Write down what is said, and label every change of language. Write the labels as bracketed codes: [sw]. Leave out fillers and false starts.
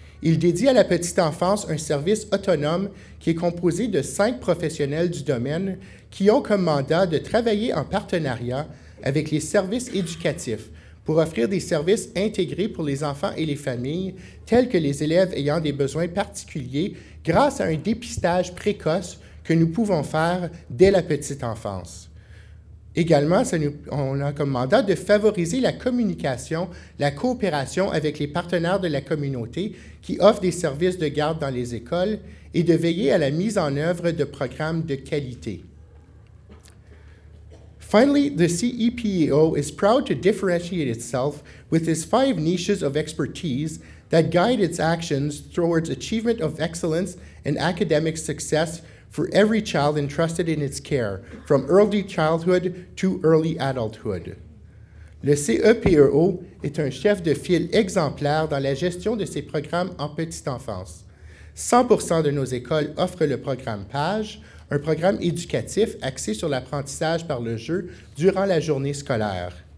[fr] Il dédie à la petite enfance un service autonome qui est composé de 5 professionnels du domaine qui ont comme mandat de travailler en partenariat avec les services éducatifs pour offrir des services intégrés pour les enfants et les familles, tels que les élèves ayant des besoins particuliers grâce à un dépistage précoce que nous pouvons faire dès la petite enfance. Également, on a comme mandat de favoriser la communication, la coopération avec les partenaires de la communauté qui offrent des services de garde dans les écoles et de veiller à la mise en œuvre de programmes de qualité. [en] Finally, the CEPEO is proud to differentiate itself with its 5 niches of expertise that guide its actions towards achievement of excellence and academic success for every child entrusted in its care, from early childhood to early adulthood. [fr] Le CEPEO est un chef de file exemplaire dans la gestion de ses programmes en petite enfance. 100% de nos écoles offrent le programme PAGE, un programme éducatif axé sur l'apprentissage par le jeu durant la journée scolaire.